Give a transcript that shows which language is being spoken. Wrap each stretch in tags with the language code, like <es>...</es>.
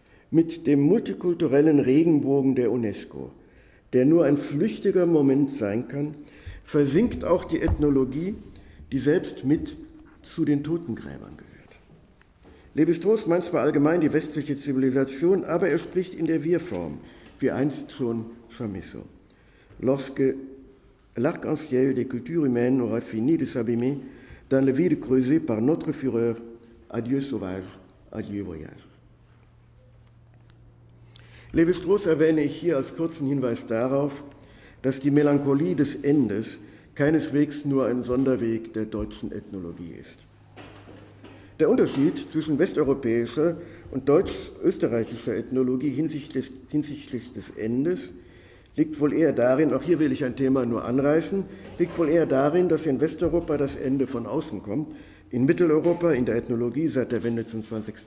<de>Mit dem multikulturellen Regenbogen der UNESCO, der nur ein flüchtiger Moment sein kann, versinkt auch die Ethnologie, die selbst mit zu den Totengräbern gehört. Lévi-Strauss meint zwar allgemein die westliche Zivilisation, aber er spricht in der Wir-Form, wie einst schon Chamisso.</de> <fr>Lorsque l'arc en ciel des cultures humaines aura fini de s'abîmer dans le vide creusé par notre fureur, adieu sauvage, adieu voyage.</fr> <de>Lévi-Strauss erwähne ich hier als kurzen Hinweis darauf, dass die Melancholie des Endes keineswegs nur ein Sonderweg der deutschen Ethnologie ist. Der Unterschied zwischen westeuropäischer und deutsch-österreichischer Ethnologie hinsichtlich des Endes liegt wohl eher darin, auch hier will ich ein Thema nur anreißen, liegt wohl eher darin, dass in Westeuropa das Ende von außen kommt, in Mitteleuropa, in der Ethnologie seit der Wende zum 20.</de>